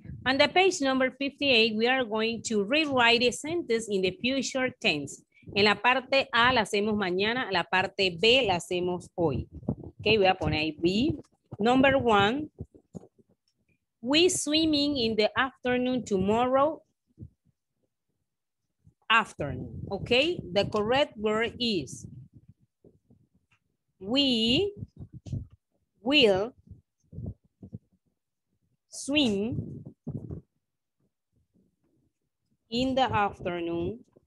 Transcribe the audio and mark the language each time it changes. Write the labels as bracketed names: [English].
[English] On the page number 58, we are going to rewrite a sentence in the future tense. [Spanish] En la parte A la hacemos mañana, la parte B la hacemos hoy. Okay, voy a poner ahí B. [English] Number one, we swimming in the afternoon tomorrow. Afternoon, okay? The correct word is we will swim in the afternoon.